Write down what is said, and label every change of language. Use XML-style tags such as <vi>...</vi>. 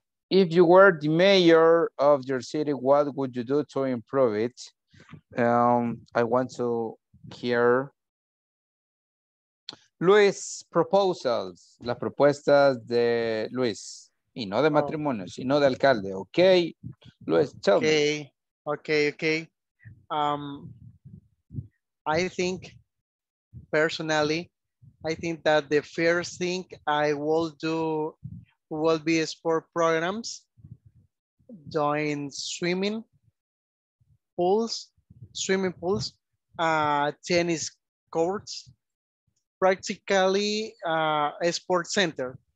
<en>If you were the mayor of your city, what would you do to improve it? I want to hear Luis proposals,</en> <es>las propuestas de Luis, y no de matrimonio, sino de alcalde, okay?</es> <en>Luis, tell okay. me. Okay, okay. I think, personally, I think that the first thing I will do will be sport programs, join swimming pools, tennis courts, practically a sport center.</en>